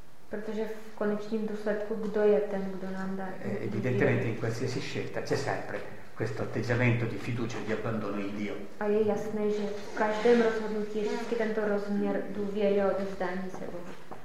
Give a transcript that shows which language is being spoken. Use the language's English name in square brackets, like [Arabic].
[Czech] Protože v konečním důsledku kdo je ten, kdo nám dá? [Italian] Evidentemente in qualsiasi scelta c'è sempre questo atteggiamento di fiducia e di abbandono in Dio. [Czech] A je jasné, že v každém rozhodnutí je vždycky tento rozměr důvěry a odevzdání se Bohu.